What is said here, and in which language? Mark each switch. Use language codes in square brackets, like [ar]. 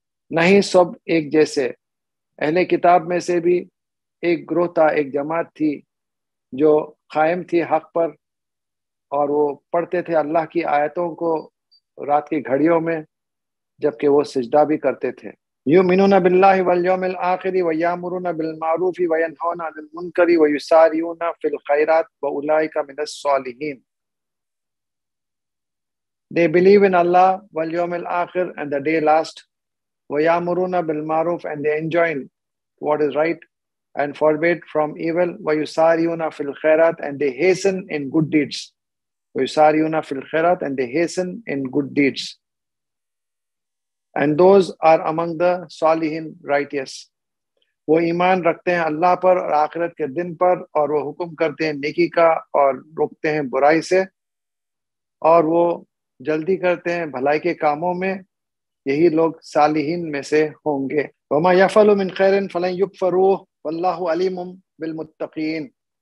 [ur] نہیں سب ایک جیسے. اہلِ کتاب میں سے بھی ایک گروہ تھا, ایک جماعت تھی جو قائم تھی حق پر, اور وہ پڑھتے تھے اللہ کی آیتوں کو رات کی گھڑیوں میں جبکہ وہ سجدہ بھی کرتے تھے. [ar] يؤمنون بالله واليوم الآخر ويأمرون بالمعروف وينهون عن المنكر ويسارعون في الخيرات وأولئك من الصالحين. [en] They believe in Allah [ar] واليوم الآخر [en] and the day last. [ar] ويأمرون بالمعروف [en] and they enjoin what is right and forbid from evil. [ar] ويسارعون في الخيرات [en] and they hasten in good deeds. [ar] ويسارعون في الخيرات [en] and they hasten in good deeds. And those are among the salihin, righteous. [ur] وہ ایمان رکھتے ہیں اللہ پر اور آخرت کے دن پر, اور وہ حکم کرتے ہیں نیکی کا اور روکتے ہیں برائی سے, اور وہ جلدی کرتے ہیں بھلائی کے کاموں میں, یہی لوگ صالحین میں سے ہوں گے. [ar] وما يفعل من خير فلن يكفروه والله عليم بالمتقين.